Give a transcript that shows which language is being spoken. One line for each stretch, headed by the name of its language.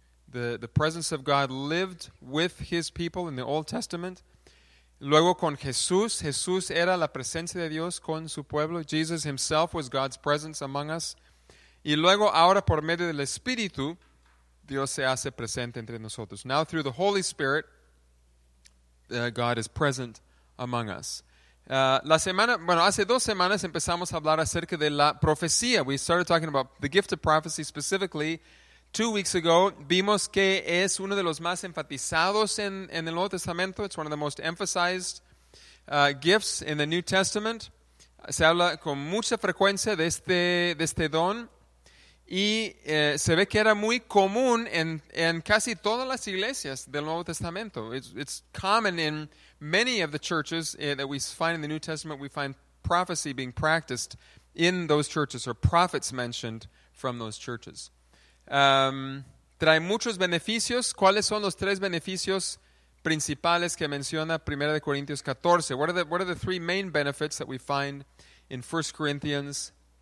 English: The presence of God lived with His people in the Old Testament.
Spanish: Luego con Jesús. Jesús era la presencia de Dios con su pueblo.
English: Jesus Himself was God's presence among us.
Spanish: Y luego ahora por medio del Espíritu, Dios se hace presente entre nosotros.
English: Now through the Holy Spirit, God is present among us.
Spanish: Hace 2 semanas empezamos a hablar acerca de la profecía.
English: We started talking about the gift of prophecy specifically. 2 weeks ago,
Spanish: vimos que es uno de los más enfatizados en el Nuevo Testamento.
English: It's one of the most emphasized gifts in the New Testament.
Spanish: Se habla con mucha frecuencia de este don. Y se ve que era muy común en casi todas las iglesias del Nuevo Testamento.
English: It's common in many of the churches that we find in the New Testament. We find prophecy being practiced in those churches, or prophets mentioned from those churches.
Spanish: Trae muchos beneficios. ¿Cuáles son los tres beneficios principales que menciona 1 Corintios 14?
English: What are the three main benefits that we find in 1 Corinthians